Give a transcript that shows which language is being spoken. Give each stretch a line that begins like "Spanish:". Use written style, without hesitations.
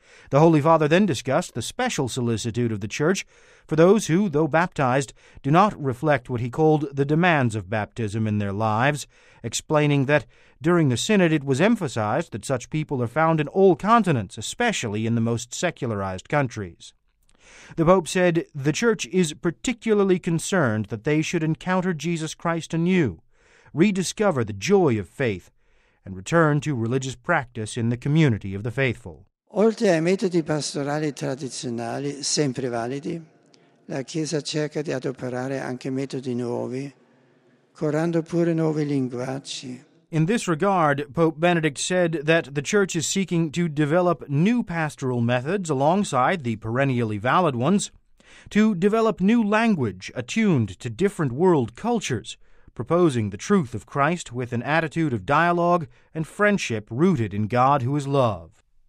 English: The Holy Father then discussed the special solicitude of the Church for those who, though baptized, do not reflect what he called the demands of baptism in their lives, explaining that during the Synod it was emphasized that such people are found in all continents, especially in the most secularized countries. The Pope said the Church is particularly concerned that they should encounter Jesus Christ anew, rediscover the joy of faith, and return to religious practice in the community of the faithful.
Italian: Oltre ai metodi pastorali tradizionali, sempre validi, la Chiesa cerca di adoperare anche metodi nuovi, curando pure nuovi linguaggi.
English: In this regard, Pope Benedict said that the Church is seeking to develop new pastoral methods alongside the perennially valid ones, to develop new language attuned to different world cultures, proposing the truth of Christ with an attitude of dialogue and friendship rooted in God who is love.